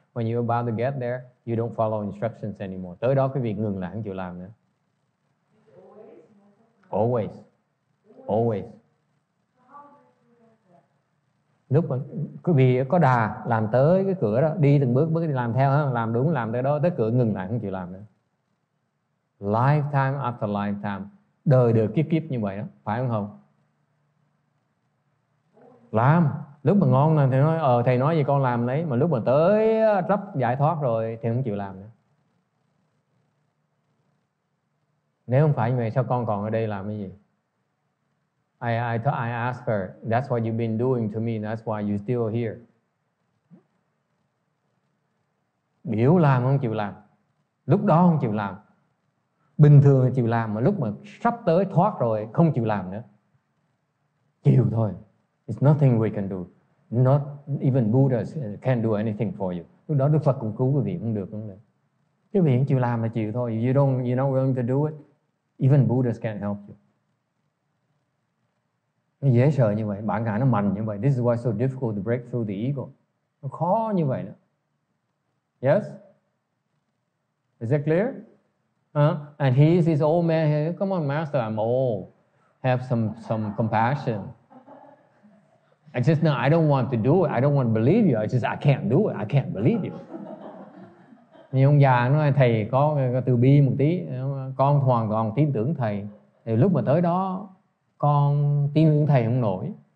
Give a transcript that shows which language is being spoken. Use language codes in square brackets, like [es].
[en] When you're about to get there, you don't follow instructions anymore. [vi] Tới đó quý vị ngừng lại, không chịu làm nữa. [en] Always. Always. [vi] Lúc mà quý vị có đà làm tới cái cửa đó, đi từng bước bước đi làm theo, làm đúng, làm tới đó, tới cửa ngừng lại, không chịu làm nữa. [en] Lifetime after lifetime. [vi] Đời đời kiếp kiếp như vậy đó, phải không không? Làm. Lúc mà ngon là thầy nói, thầy nói gì con làm đấy. Mà lúc mà tới rắp giải thoát rồi thì không chịu làm nữa. Nếu không phải như vậy sao con còn ở đây làm cái gì? [en] I ask her, that's what you've been doing to me, that's why you're still here. [vi] Biểu làm không chịu làm. Lúc đó không chịu làm. Bình thường là chịu làm, mà lúc mà sắp tới thoát rồi không chịu làm nữa. Chịu thôi. [en] It's nothing we can do. Not even Buddha can do anything for you. [vi] Lúc đó Đức Phật cũng cứu quý vị không được. Không được. Quý vị không chịu làm là chịu thôi. [en] You're not willing to do it. Even Buddhas can't help you. [vi] Nó dễ sợ như vậy. Bản ngã nó mạnh như vậy. [en] This is why it's so difficult to break through the ego. [vi] Nó khó như vậy đó. [en] Yes? Is that clear? And he is his old man. Hey, come on, Master, I'm old. Have some compassion. I just, no, I don't want to do it. I don't want to believe you. I can't do it. I can't believe you. [vi] Như ông già nói, thầy có từ bi một tí. Con hoàn toàn tin tưởng thầy. Thì lúc mà tới đó, con tin tưởng thầy không nổi.